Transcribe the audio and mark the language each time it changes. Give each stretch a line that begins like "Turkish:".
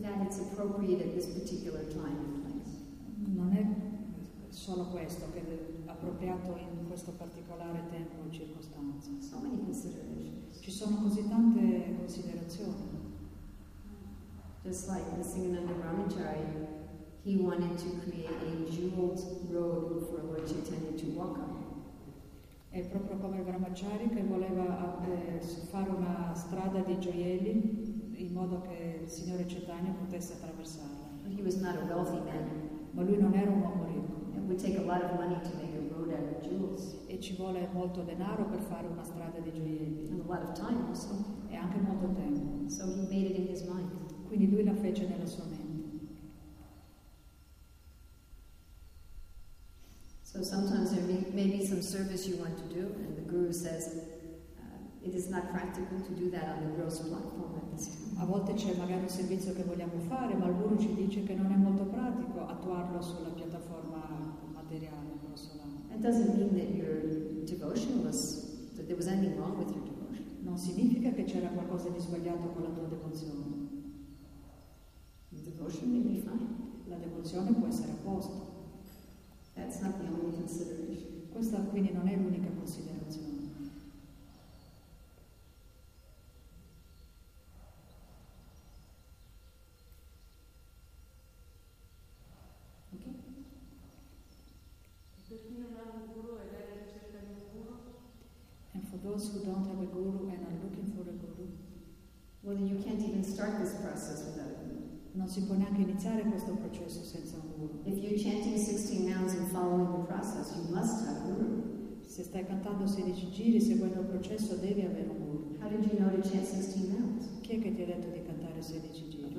English: That it's appropriate at this particular time and place.
Italian: Non è solo questo che è appropriato in questo particolare tempo e circostanza.
English: So many considerations.
Italian: Ci sono così tante considerazioni.
English: Just like Nisinganda Brahmachari, he wanted to create a jeweled road for Lord Chaitanya to walk on.
Italian: È proprio come Brahmachari che voleva fare una strada di gioielli in modo che il signore Chaitanya potesse attraversarla.
English: But he was not a wealthy man.
Italian: Ma lui non era un uomo ricco.
English: It would take a lot of money to make a road out of jewels.
Italian: E ci vuole molto denaro per fare una strada di gioielli.
English: And a lot of time also.
Italian: E anche molto tempo.
English: So he made it in his mind.
Italian: Quindi lui la fece nella sua mente.
English: So sometimes there may be some service you want to do, and the guru says it is not practical to do that on the gross platform.
Italian: A volte c'è magari un servizio che vogliamo fare, ma il guru ci dice che non è molto pratico attuarlo sulla piattaforma materiale.
English: It doesn't mean that your devotion was that there was anything wrong with your devotion.
Italian: Non significa che c'era qualcosa di sbagliato con la tua devozione.
English: The devotion may be fine.
Italian: La devozione può essere a posto.
English: That's not the only consideration.
Italian: Questa quindi non è l'unica considerazione.
English: Who don't have a guru and are looking for a guru. Well, you can't even start this process without a guru.
Italian: Non si può neanche iniziare questo processo senza un guru.
English: If you're chanting 16 nouns and following the process, you must have a guru.
Italian: Se stai cantando 16 giri seguendo il processo, devi avere un guru.
English: How did you know to chant 16 nouns?
Italian: Chi è che ti ha detto di cantare 16 giri?